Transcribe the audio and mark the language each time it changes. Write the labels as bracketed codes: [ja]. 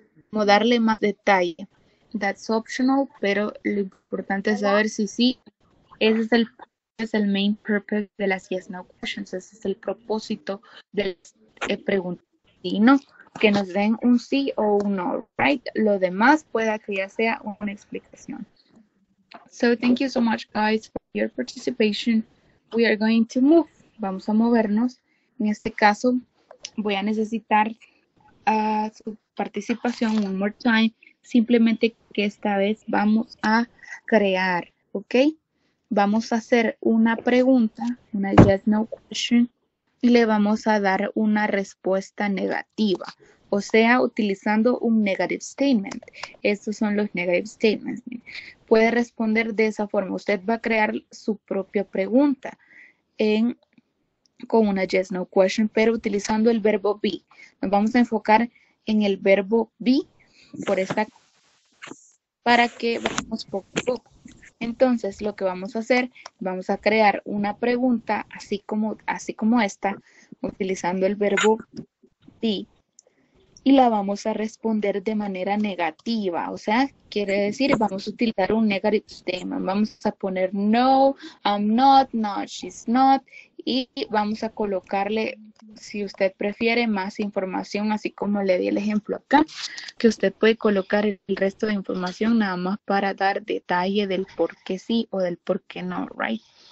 [es] Como darle más detalle. [en] That's optional, [es] pero lo importante es saber si sí. Ese es el main purpose de las yes, no questions. Ese es el propósito de preguntar. Y no, que nos den un sí o un no, right? Lo demás pueda que ya sea una explicación. [en] So, thank you so much, guys, for your participation. We are going to move. [es] Vamos a movernos. En este caso, voy a necesitar su participación [en] one more time, [es] simplemente que esta vez vamos a crear, ¿ok? Vamos a hacer una pregunta, una yes, no question, y le vamos a dar una respuesta negativa, o sea, utilizando un negative statement. Estos son los negative statements. Puede responder de esa forma. Usted va a crear su propia pregunta en... con una yes, no question, pero utilizando el verbo be. Nos vamos a enfocar en el verbo be por esta para que vamos poco a poco. Entonces, lo que vamos a hacer, vamos a crear una pregunta así como esta, utilizando el verbo be. y la vamos a responder de manera negativa. O sea, quiere decir, vamos a utilizar un negative statement. Vamos a poner [en] no, I'm not, no, she's not. [es] Y vamos a colocarle, si usted prefiere, más información, así como le di el ejemplo acá, que usted puede colocar el resto de información nada más para dar detalle del por qué sí o del por qué no, right?